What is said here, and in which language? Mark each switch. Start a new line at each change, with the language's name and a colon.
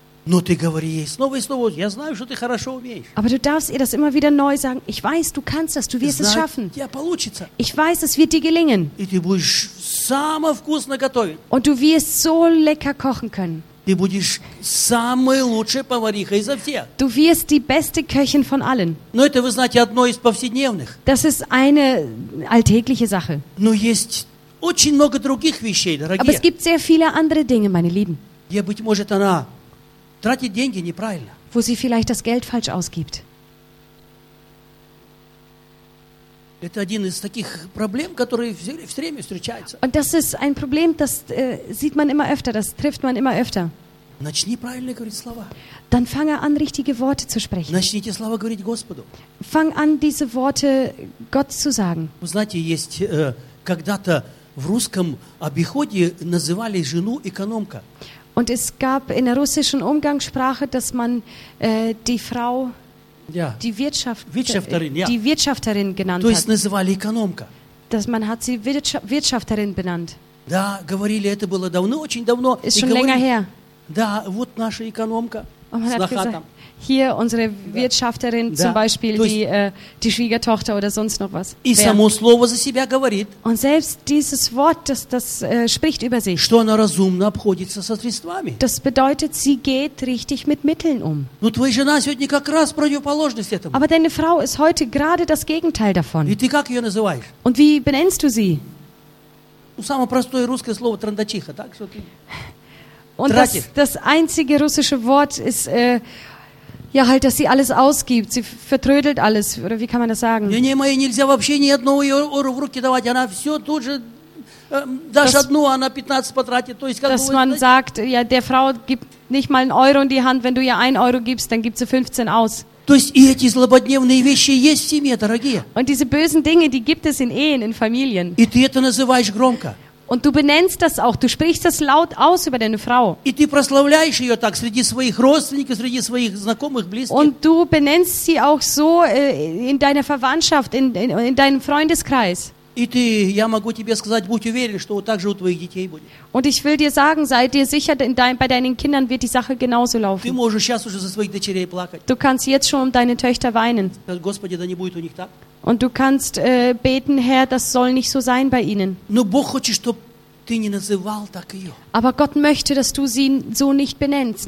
Russian: Но ты говори ей снова и снова, я знаю, что ты хорошо умеешь.
German: Aber du darfst ihr das immer wieder neu sagen. Ich weiß, du kannst das, du wirst
Russian: знаю,
German: es schaffen.
Russian: Ja, получится.
German: Ich weiß, es wird dir gelingen.
Russian: И ты будешь самое вкусное готовить.
German: Und du wirst so lecker kochen können.
Russian: Ты будешь самой лучшей поварихой изо всех.
German: Du wirst die beste Köchin von allen.
Russian: Но это, вы знаете, одно из повседневных.
German: Das ist eine alltägliche Sache.
Russian: Но есть очень много других вещей, дорогие.
German: Aber es gibt sehr viele andere Dinge, meine Lieben.
Russian: Ja, быть может, она тратит деньги неправильно.
German: Wo sie vielleicht das Geld falsch ausgibt.
Russian: Это один из таких проблем, которые все время встречаются.
German: Und das ist ein Problem, das sieht man immer öfter, das trifft man immer öfter.
Russian: Начни правильно говорить слова.
German: Dann fange an, richtige Worte zu sprechen.
Russian: Начните слова говорить Господу.
German: Fang an, diese Worte Gott zu sagen.
Russian: Вы знаете, есть когда-то в русском обиходе называли жену экономка.
German: Und es gab in der russischen Umgangssprache, dass man die Frau, ja, die Wirtschaft, Wirtschafterin, ja, die Wirtschafterin genannt
Russian: то есть, называли экономка.
German: Hat. Dass man hat sie Wirtschafterin benannt.
Russian: Да, говорили, это было давно, очень давно.
German: Ist schon länger her.
Russian: Да, вот наша экономка.
German: Und man hat gesagt, hier unsere Wirtschafterin, ja, zum Beispiel, ja, die Schwiegertochter oder sonst noch was.
Russian: И само слово за себя говорит.
German: Und selbst dieses Wort, das spricht über sich.
Russian: Что она разумно обходится со средствами.
German: Das bedeutet, sie geht richtig mit Mitteln um.
Russian: Но твоя жена сегодня как раз противоположность этому.
German: Aber deine Frau ist heute gerade das Gegenteil davon.
Russian: И ты как ее называешь?
German: Und wie benennst du sie?
Russian: Ну, самое простое русское слово трандачиха, так что ты...
German: Und das einzige russische Wort ist, ja halt, dass sie alles ausgibt, sie vertrödelt alles, oder wie kann man das sagen? Nee, meine,
Russian: нельзя вообще ни одного евро в руки давать, она все тут же, даже одну, она 15 потратит, то есть, как
German: dass man sagt, ja, der Frau gibt nicht mal einen Euro in die Hand, wenn du ihr 1 Euro gibst, dann gibt sie 15 aus.
Russian: То есть и эти злободневные вещи есть в семье, дорогие.
German: Und diese bösen Dinge, die gibt es in Ehen, in Familien.
Russian: И ты это называешь громко.
German: Und du benennst das auch, du sprichst das laut aus über deine Frau.
Russian: И ты прославляешь ее так среди своих родственников, среди своих знакомых, близких.
German: Und du benennst sie auch so in deiner Verwandtschaft, in deinem Freundeskreis.
Russian: И ты, я могу тебе сказать, будь уверен, что также у твоих детей будет.
German: Und ich will dir sagen, sei dir sicher, bei deinen Kindern wird die Sache genauso laufen.
Russian: Ты можешь сейчас уже за своих дочерей плакать.
German: Du kannst jetzt schon um deine Töchter weinen.
Russian: Господи, да не будет у них так.
German: Und du kannst beten, Herr, das soll nicht so sein bei ihnen.
Russian: Но Бог хочет, чтобы ты не называл так ее.
German: Aber Gott möchte, dass du sie so nicht benennst.